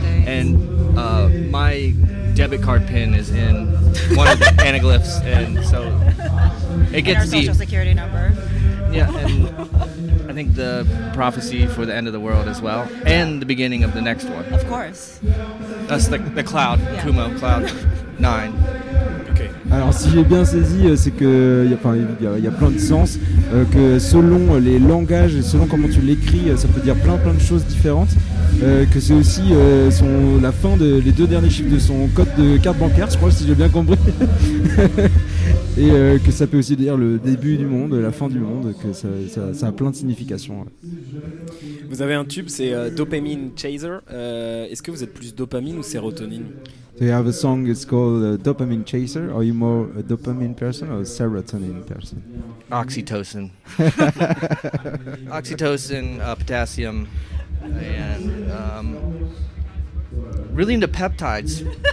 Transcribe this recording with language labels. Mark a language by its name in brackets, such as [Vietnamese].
[English] And my debit card PIN is in one of the anaglyphs, and so it gets deep. And our social security number. Yeah, and I think the prophecy for the end of the world as well, and the beginning of the next one. Of course. That's the cloud, yeah. Kumo, cloud 9. [French] Alors si j'ai bien saisi, c'est que il y a plein de sens, que selon les langages, selon comment tu l'écris, ça peut dire plein de choses différentes, que c'est aussi la fin de les deux derniers chiffres de son code de carte bancaire, je crois, si j'ai bien compris, et que ça peut aussi dire le début du monde, la fin du monde, que ça a plein de significations. Ouais. Vous avez un tube, c'est Dopamine Chaser. Est-ce que vous êtes plus dopamine ou sérotonine? [English] Do you have a song, it's called Dopamine Chaser? Are you more a dopamine person or a serotonin person? Oxytocin. Oxytocin, potassium, and really into peptides.